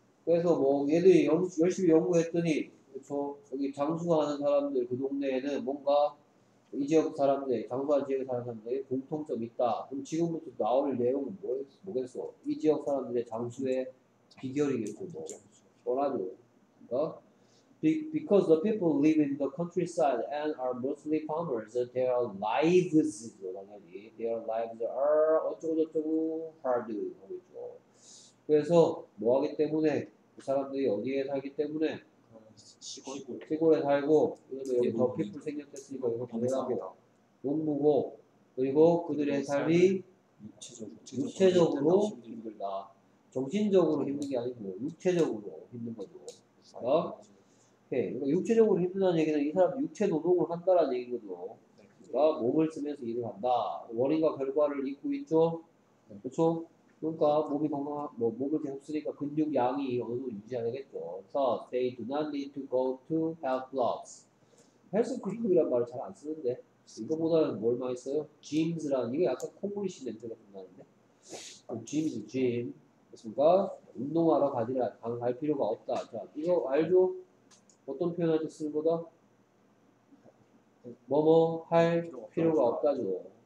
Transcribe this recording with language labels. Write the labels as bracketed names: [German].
[Korean] 그래서 뭐 얘들이 열심히 연구했더니 그렇죠? 여기 장수하는 사람들 그 동네에는 뭔가 이 지역 사람들, 장수한 지역에 사는 사람들에게 공통점이 있다. 그럼 지금부터 나올 내용은 뭐겠어? 이 지역 사람들의 장수의 비결이겠죠. 뭐. 원하죠. 그러니까 [English] Because the people live in the countryside and are mostly farmers, their lives, are [Korean] 어쩌고저쩌고 [English] hard. [Korean] 그래서 뭐하기 때문에 사람들이 어디에 살기 때문에 시골에 살고 그래서 여기 더 people 생겼으니까 이거 당연합니다. 농부고 그리고 그들의 삶이 육체적으로 힘들다. 정신적으로 힘든 게 아니고 육체적으로 힘든 거죠. 그러니까 그러니까 육체적으로 힘든다는 얘기는 이 사람 육체 노동을 한다라는 얘기거든요. 그러니까 몸을 쓰면서 일을 한다. 원인과 결과를 잊고 있죠. 그렇죠? 그러니까 몸이 건강, 뭐 몸을 계속 쓰니까 근육 양이 어느 정도 유지하겠죠. [English] So they do not need to go to health clubs. [Korean] 헬스 클럽이란 말을 잘 안 쓰는데 이거보다는 뭘 많이 써요? gyms라는 이게 약간 콧물이신 냄새가 난다는데. gyms, gym. 그렇습니까? 운동하러 가지라 갈 필요가 없다. 자, 이거 알죠? 어떤 표현을 쓰는 거다? 뭐뭐 할 필요가 없다죠.